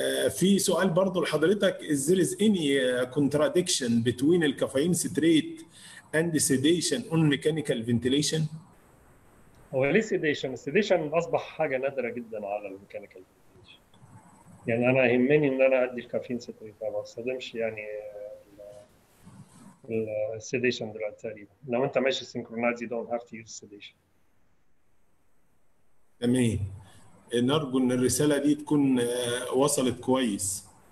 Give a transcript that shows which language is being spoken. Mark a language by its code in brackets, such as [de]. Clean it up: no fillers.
[ar] في سؤال برضو لحضرتك، [en] is there any contradiction between the caffeine citrate and sedation on mechanical ventilation؟ [ar] هو ليه سيديشن؟ السيديشن أصبح حاجة نادرة جداً على الميكانيكال فنتيليشن. يعني أنا أهمني أن أنا أدي الكافيين ستريت، ما أصدمش يعني السيديشن دلوقتي. لو أنت ماشي سينكرونازي [en] don't have to use sedation. [ar] أمين، نرجو أن الرسالة دي تكون وصلت كويس.